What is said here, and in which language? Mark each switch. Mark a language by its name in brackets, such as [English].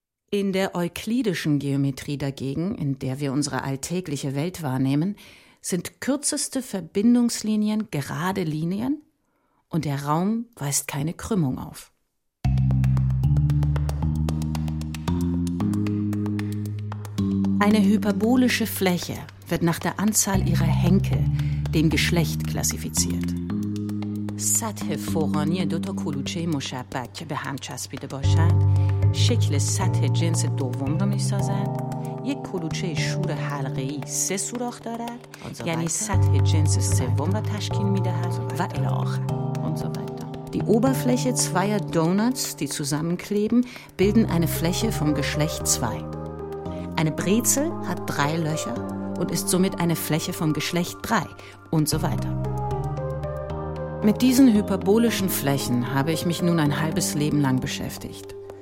[German] In der euklidischen Geometrie dagegen, in der wir unsere alltägliche Welt wahrnehmen, sind kürzeste Verbindungslinien gerade Linien und der Raum weist keine Krümmung auf. Eine hyperbolische Fläche wird nach der Anzahl ihrer Henkel, dem Geschlecht, klassifiziert. [Persian] سطح فوقانی دو تا کلوچه مشبک که به هم چسبیده باشند، شکل سطح جنس دوم را می‌سازند، یک کلوچه شور حلقه‌ای 3 سوراخ دارد، یعنی سطح جنس سوم را تشکیل می‌دهد و الی آخر. [German] Die Oberfläche zweier Donuts, die zusammenkleben, bilden eine Fläche vom Geschlecht 2. Eine Brezel hat 3 Löcher und ist somit eine Fläche vom Geschlecht 3 und so weiter. Mit diesen hyperbolischen Flächen habe ich mich nun ein halbes Leben lang beschäftigt.